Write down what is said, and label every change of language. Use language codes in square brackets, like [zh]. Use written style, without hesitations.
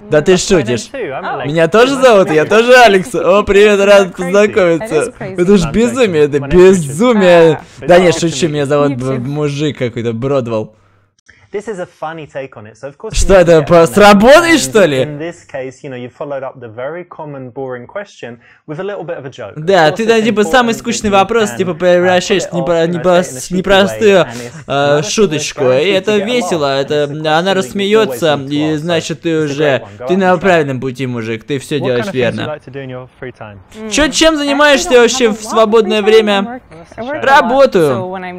[ru] да ты шутишь? Меня тоже зовут? Я тоже Алекса. О, привет, рад познакомиться. Это ж безумие, это безумие. Да нет, шучу, меня зовут мужик какой-то, Бродвелл. [en] This is a funny take on it. So of course. [ru] Что это сработает, что ли? [en] In this case, you know, you followed up the very common, boring question with a little bit of a joke. [ru] Да, ты там типа самый скучный вопрос типа превращаешь непростую шуточку, и это весело, это она рассмеется, и значит ты уже ты на правильном пути, мужик, ты все делаешь верно. Чем занимаешься вообще в свободное время? Работаю.